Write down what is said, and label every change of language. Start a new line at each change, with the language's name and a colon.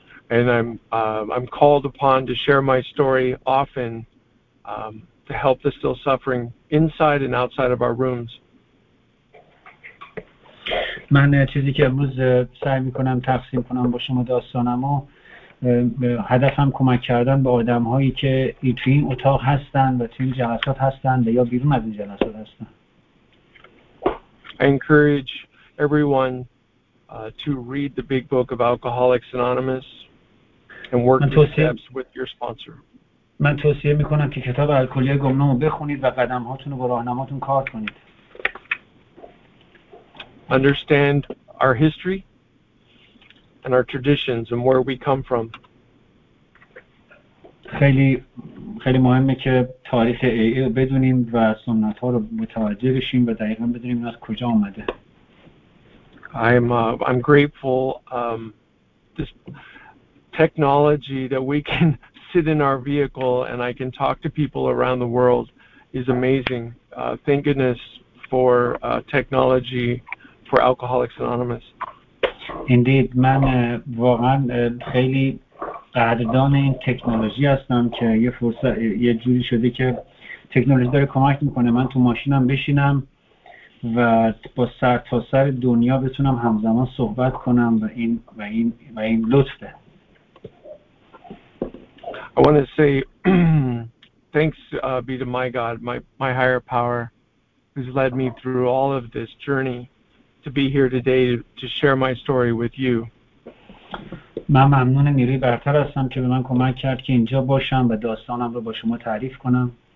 English: And I'm called upon to share my story often to help the still suffering inside and outside of our rooms.
Persian: من چیزی که امروز سعی میکنم تقسیم کنم با شما داستانمو هدفم کمک کردن به آدم هایی که توی این اتاق هستن و توی این جلسات هستن یا بیرون از این جلسات هستن.
English: I encourage everyone to read the big book of Alcoholics Anonymous and work the steps with your sponsor.
Persian: من توصیه میکنم که کتاب الکلیه گمنامو بخونید و قدم هاتون رو با راهنماتون کار کنید.
English: Understand our history and our traditions and where we come from.
Persian: خیلی خیلی مهمه که تاریخ AA رو بدونیم و سنت ها رو متوجه بشیم و دقیقاً بدونیم از کجا اومده.
English: I'm grateful this technology that we can sit in our vehicle and I can talk to people around the world is amazing. Thank goodness for technology for Alcoholics Anonymous. Indeed,
Persian: من واقعا خیلی قدردان این تکنولوژی هستم که یه فرصت یه جوری شده که تکنولوژی داره کمک میکنه من تو ماشینم بشینم و با سر تا سر دنیا بتونم همزمان صحبت کنم و این لطفه.
English: I want to say thanks be to my God, my higher power, who's led me through all of this journey to be here today to share my story with you.
Persian: من ممنون نیروی برتر هستم که به من کمک کرد که اینجا باشم و داستانم رو با شما تعریف کنم.